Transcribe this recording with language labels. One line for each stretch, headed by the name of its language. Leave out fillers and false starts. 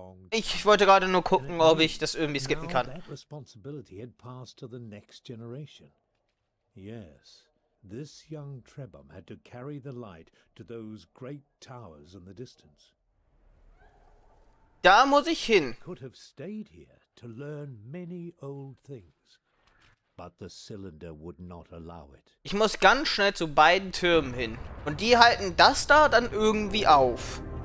German: Ich wollte gerade nur gucken, ob ich das irgendwie skippen kann.
English: Responsibility had passed to the next generation. Yes, this young Trebum had to carry the light to those great towers in the distance.
German: Da muss ich hin.
English: Could have stayed here to learn many old things, but the cylinder would not allow it.
German: Ich muss ganz schnell zu beiden Türmen hin und die halten das da dann irgendwie auf.